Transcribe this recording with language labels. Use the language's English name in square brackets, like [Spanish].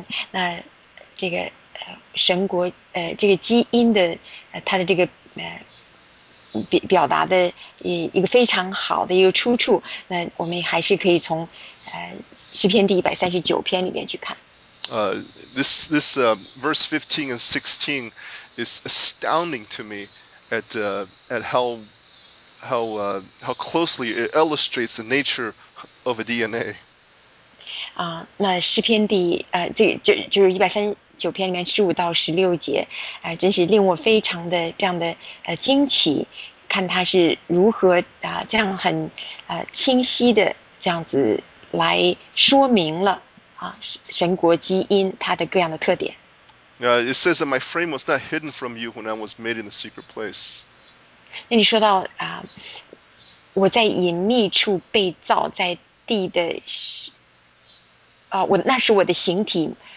[Chinese] 那这个神国这个基因的它的这个表达的一个非常好的一个出处，那我们还是可以从诗篇第139篇里面去看。 [English] This verse 15 and 16 is astounding to me at how closely it illustrates the nature of a DNA. [Chinese] 那诗篇第就是139篇里面15-16节，真是令我非常的这样的惊奇，看他是如何这样很清晰的这样子来说明了神国基因它的各样的特点。 [English] It says that my frame was not hidden from you when I was made in the secret place. [Chinese] 那你说到我在隐秘处被造，在地的我那是我的形体。